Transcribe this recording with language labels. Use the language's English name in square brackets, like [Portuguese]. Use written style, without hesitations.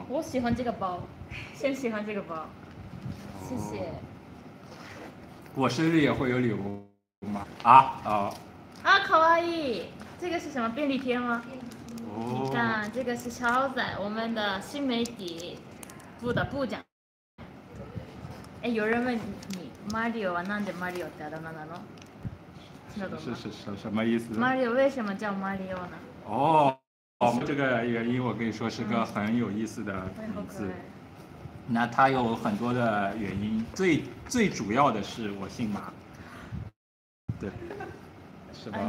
[Chinese] 我喜欢这个包，先喜欢这个包，谢谢。我生日也会有礼物吗？啊，哦。啊，可爱伊，这个是什么便利贴吗？哦。你看，这个是超仔，我们的新媒体部的部长。哎，有人问你 [Japanese] ，Mario 啊，なんで Mario ってあだ名なの？ [Chinese] 什么意思？Mario 为什么叫 Mario 呢？哦。我们这个原因我跟你说是个很有意思的名字，那它有很多的原因，最主要的是我姓马，对，是吧？